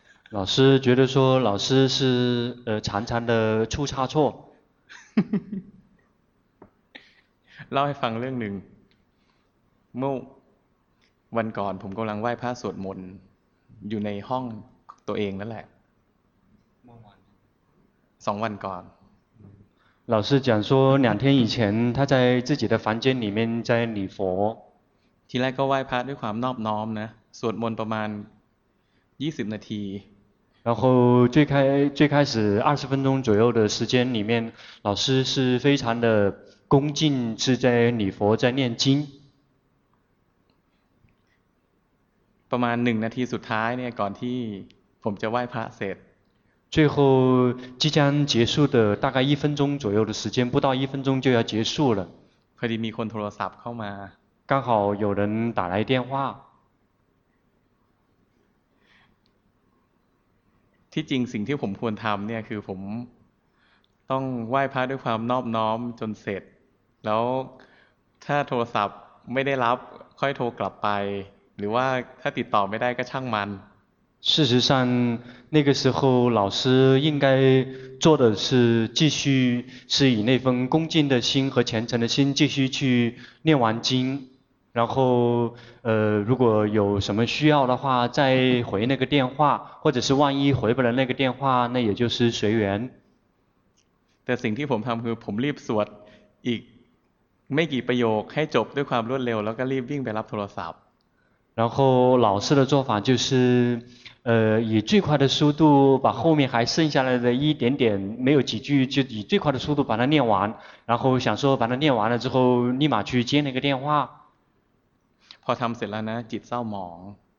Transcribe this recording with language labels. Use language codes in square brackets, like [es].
[zh] 老师觉得说老师是常常的出差错 [th] เล่าให้ฟังเรื่องหนึ่งเมื่อวันก่อนผมกำลังไหว้พระสวดมนต์อยู่ในห้องตัวเองนั่นแหละ2วันก่อน [zh] 老师讲说两天以前他在自己的房间里面在礼佛 [th] ทีแรกก็ไหว้พระด้วยความนอบน้อมนะสวดมนต์ประมาณ 20นาที [zh] 然后最开始20分钟左右的时间里面，老师是非常的恭敬，是在礼佛，在念经。 [th] ประมาณ1 นาทีสุดท้ายเนี่ยก่อนที่ผมจะไหว้พระเสร็จ [zh] 最后即将结束的大概1分钟左右的时间，不到1分钟就要结束了。 [th] พอดีมีคนโทรศัพท์เข้ามา [zh] 刚好有人打来电话。 [th] ที่จริงสิ่งที่ผมควรทำเนี่ยคือผมต้องไหว้พระด้วยความนอบน้อมจนเสร็จแล้วถ้าโทรศัพท์ไม่ได้รับค่อยโทรกลับไปหรือว่าถ้าติดต่อไม่ได้ก็ช่างมัน [zh] 事实上，那个时候老师应该做的是继续是以那份恭敬的心和虔诚的心继续去念完经，然后如果有什么需要的话再回那个电话，或者是万一回不了那个电话，那也就是随缘。 [th] แต่สิ่งที่ผมทำคือผมรีบสวดอีกไม่กี่ประโยคให้จบด้วยความรวดเร็วแล้วก็รีบวิ่งไปรับโทรศัพท์ [zh] 然后老师的做法就是，以最快的速度把后面还剩下来的一点点，没有几句，就以最快的速度把它念完。然后想说把它念完了之后，立马去接那个电话。 [th] พอทำเสร็จแล้วนะจิตเศร้าหมอง